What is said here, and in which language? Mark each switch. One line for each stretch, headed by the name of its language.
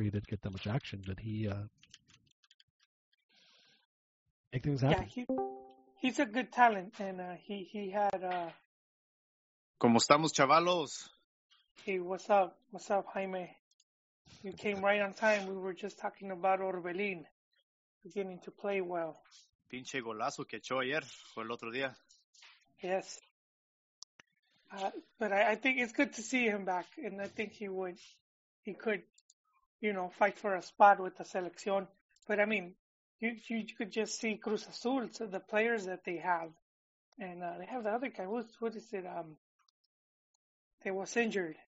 English: He didn't get that much action, but he make things happen. Yeah, he's a good talent, and he had.
Spanish: Como estamos, chavalos?
English: Hey, what's up? What's up, Jaime? You came right on time. We were just talking about Orbelin beginning to play well.
Spanish: Pinche golazo que echó ayer, fue el otro día.
English: Yes. But I think it's good to see him back, and I think he could fight for a spot with the selección. But I mean, you could just see Cruz Azul, so the players that they have, and they have the other guy. What is it? They was injured.